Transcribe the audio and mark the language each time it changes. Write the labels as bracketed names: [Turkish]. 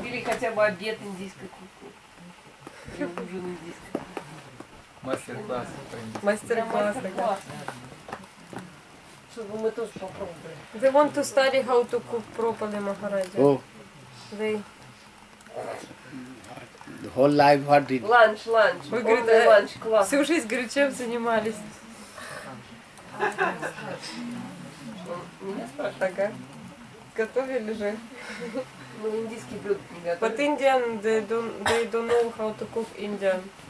[Russian] Или хотя бы обед индийской кухни. Или ужин индийской. Мастер-класс. Мастер-класс. Чтобы мы тоже попробовали. [English] They want to study how to cook properly, Maharaj. They... The whole life, what did... Lunch. [Russian] Вы говорите, [English] lunch class. [Russian] Всю жизнь, говорю, чем занимались? Меня спрашивают. Ага. Готовили же? Ну, индийские блюда не готовили. [English] But Indian, they don't know how to cook Indian.